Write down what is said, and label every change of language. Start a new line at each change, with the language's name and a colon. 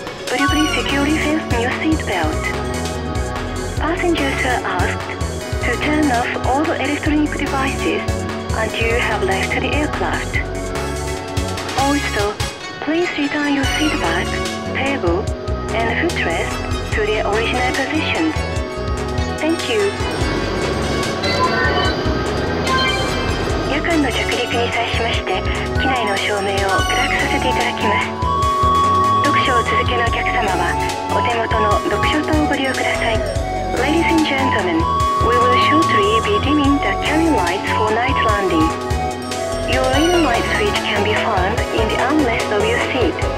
English: Would you please securely fasten your seat belt? Passengers are asked to turn off all the electronic devices until you have left the aircraft. Also, please return your seat back, table, and footrest to their original positions. Thank you.
Japanese: 夜間の着陸に際しまして、機内の照明を暗くさせていただきます。読書を続けのお客様はお手元の読書灯をご利用ください。
English: Ladies and gentlemen, we will shortly be dimming the cabin lights for night landing. Your little light switch can be found in the armrest of your seat.